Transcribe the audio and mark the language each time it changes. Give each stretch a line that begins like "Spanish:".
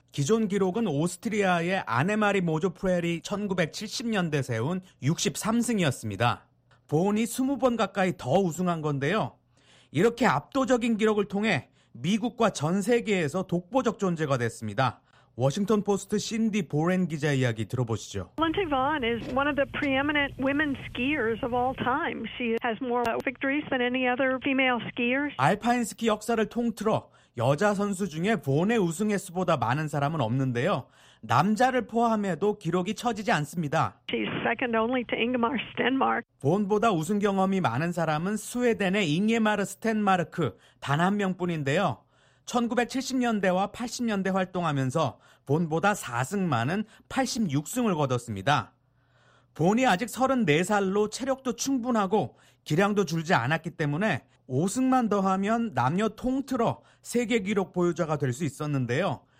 Korean: 기존 기록은 오스트리아의 아네마리 모조프레리 1970년대 세운 63승이었습니다. 보은이 20번 가까이 더 우승한 건데요. 이렇게 압도적인 기록을 통해 미국과 전 세계에서 독보적 존재가 됐습니다. 워싱턴 포스트 신디 보렌 기자 이야기 들어보시죠.
English: Lindsey Vonn is one of the preeminent women skiers of all time. She has more victories than any other female skier.
Korean: 알파인 스키 역사를 통틀어 여자 선수 중에 본의 우승 횟수보다 많은 사람은 없는데요. 남자를 포함해도 기록이 처지지 않습니다.
English: She's second only to Ingemar Stenmark.
Korean: 본보다 우승 경험이 많은 사람은 스웨덴의 잉게마르 스텐마르크 단 한 명뿐인데요. 1970년대와 80년대 활동하면서 본보다 4승 많은 86승을 거뒀습니다. 본이 아직 34살로 체력도 충분하고 기량도 줄지 않았기 때문에 5승만 더하면 남녀 통틀어 세계 기록 보유자가 될 수 있었는데요.